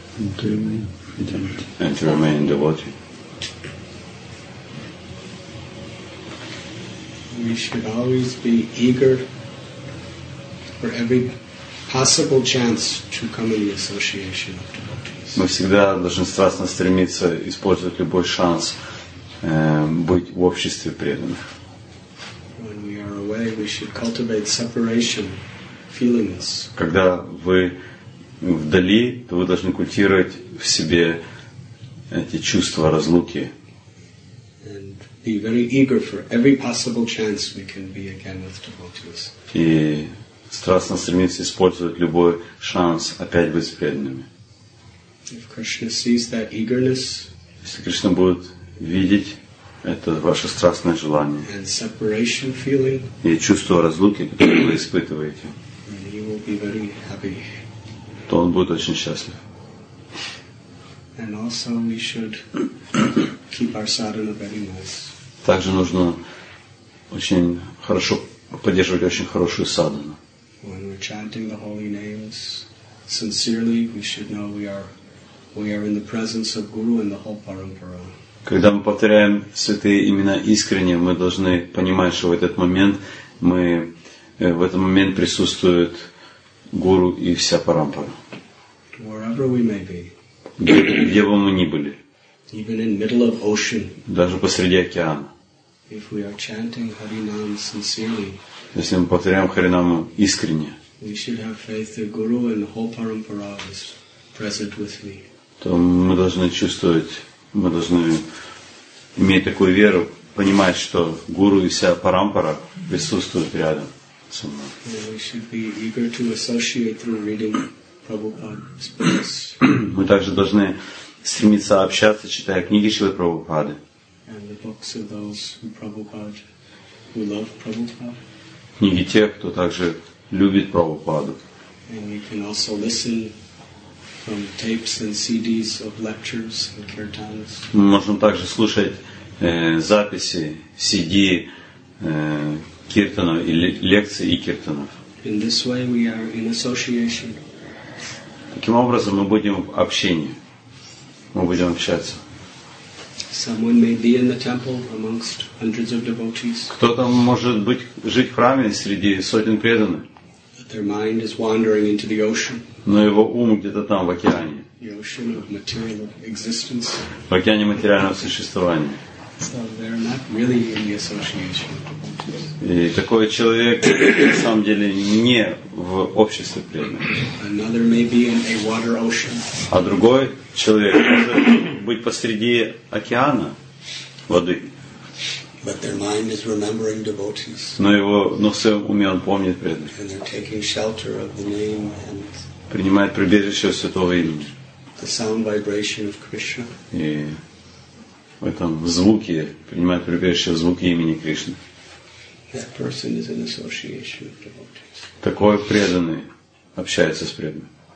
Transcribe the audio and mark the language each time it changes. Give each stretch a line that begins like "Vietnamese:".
English: And to remain devotee. We should always be eager for every possible chance to come in the association of devotees.
Russian: Мы всегда должны страстно стремиться использовать любой шанс быть в обществе преданных.
English: When we are away, we should cultivate separation feelings.
Russian: Когда вы вдали, то вы должны культивировать в себе эти чувства разлуки.
English: Be very eager for every possible chance we can be again with devotees.
Russian: И страстно стремиться использовать любой шанс опять быть преданными.
English: If Krishna sees that eagerness,
Russian: если Кришна будет видеть это ваше страстное желание,
English: and separation feeling,
Russian: и чувство разлуки, которое вы испытываете,
English: he will be very happy.
Russian: То он будет очень счастлив.
English: And also we should keep our sadhana very nice.
Russian: Также нужно очень хорошо поддерживать очень хорошую садхану.
English: When we're chanting the holy names sincerely, we should know we are in the presence of Guru and the whole parampara.
Russian: Когда мы повторяем святые имена искренне, мы должны понимать, что в этот момент присутствует Гуру и вся парампара.
English: Wherever we may be.
Russian: Где бы мы ни были.
English: Even in middle of ocean.
Russian: Даже посреди океана.
English: If we are chanting Hari Nam sincerely,
Russian: если мы повторяем Хари Нам искренне,
English: we should have faith that Guru and the whole parampara is present with me.
Russian: То мы должны чувствовать, мы должны иметь такую веру, понимать, что Гуру и вся парампара присутствуют рядом со мной.
English: And we should be eager to associate through reading Prabhupada's books.
Russian: Мы также должны стремиться общаться, читая книги Шрилы Прабхупады.
English: And the books of those who Prabhupada, who love Prabhupada.
Russian: Книги тех, кто также любит Прабхупаду.
English: And we can also listen from tapes and CDs of lectures and kirtans.
Russian: Мы можем также слушать записи, CD киртанов или лекции и киртанов.
English: In this way we are in association.
Russian: Таким образом мы будем в общении. Мы будем общаться.
English: Someone may be in the temple amongst hundreds of devotees.
Russian: Кто-то может быть жить в храме среди сотен преданных.
English: But their mind is wandering into the ocean.
Russian: Но его ум где-то там в океане.
English: The ocean of material existence.
Russian: В океане материального существования.
English: So they're not really in the association of devotees.
Russian: И такой человек на самом деле не в обществе преданных.
English: Another may be in a water ocean.
Russian: А другой человек может быть посреди океана воды.
English: But their mind is remembering devotees.
Russian: Но в своем уме он помнит преданных.
English: And they're taking shelter of the name and
Russian: принимает прибежище святого имени.
English: The sound vibration of Krishna.
Russian: И в этом звуке принимает прибежище в звуке имени Кришны.
English: That person is an association of devotees.
Russian: Такой преданный общается с преданным.